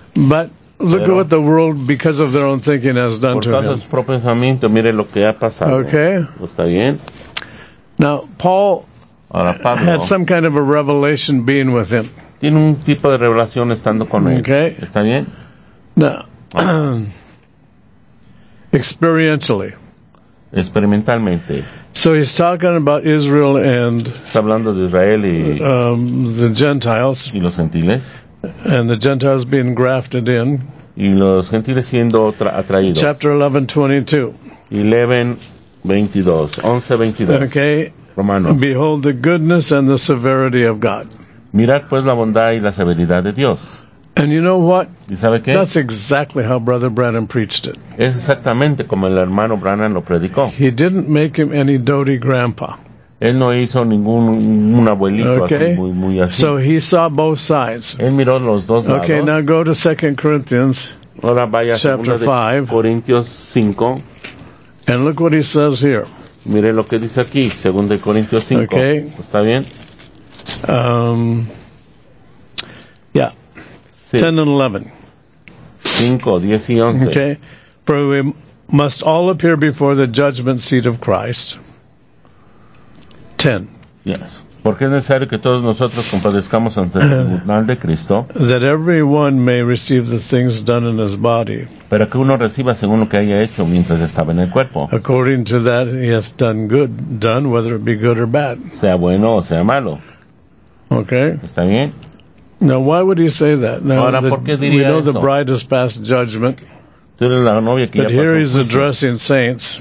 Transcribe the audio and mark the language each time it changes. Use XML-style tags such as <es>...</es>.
<en>But look at what the world, because of their own thinking, has done to him.</en> <es>Por su propio pensamiento, mire lo que ha pasado.</es> <en>Okay.</en> <es>¿Está bien?</es> <en>Now, Paul</en> <es>ahora, Pablo,</es> <en>had some kind of a revelation being with him.</en> <es>Tiene un tipo de revelación estando con él.</es> <en>Okay.</en> <es>¿Está bien?</es> <en>Now, experientially.</en> <es>Experimentalmente.</es> <en>So he's talking about Israel and</en> <es>está hablando de Israel y,</es> <en>the Gentiles.</en> <es>Y los gentiles.</es> <en>And the Gentiles being grafted in.</en> <es>Y los gentiles siendo atraídos.</es> <en>Chapter 11:22. Okay.</en> <es>Romano.</es> <en>Behold the goodness and the severity of God.</en> <es>Mirad pues la bondad y la severidad de Dios.</es> <en>And you know what?</en> <es>¿Y sabe qué?</es> <en>That's exactly how Brother Branham preached it.</en> <es>Es exactamente como el hermano Branham lo predicó.</es> <en>He didn't make him any doty grandpa.</en> <es>Él no hizo ningún un abuelito okay. así, muy, muy así.</es> <en>So he saw both sides.</en> <es>Él miró los dos lados.</es> <en>Okay, now go to 2 Corinthians</en> <es>ahora vaya</es> <en>chapter 5.</en> <es>Corintios 5.</es> <en>And look what he says here.</en> <es>Mire lo que dice aquí, 2 Corintios 5.</es> <en>Okay.</en> <es>¿Está bien?</es> <en>Yeah.</en> <es>Sí.</es> <en>10 and 11.</en> <es>5, 10 y 11.</es> <en>Okay. For we must all appear before the judgment seat of Christ. 10. Yes.</en> <es>Porque es necesario que todos nosotros compadezcamos ante el tribunal de Cristo.</es> <en>That everyone may receive the things done in his body.</en> <es>Para que uno reciba según lo que haya hecho mientras estaba en el cuerpo.</es> <en>According to that he has done good, done whether it be good or bad.</en> <es>Sea bueno o sea malo.</es> <en>Okay.</en> <es>¿Está bien?</es> <en>Now, why would he say that? Now,</en> <es>ahora, ¿por qué diría</es> <en>we know</en> <es>eso?</es> <en>The bride has passed judgment. But here he's addressing saints.</en>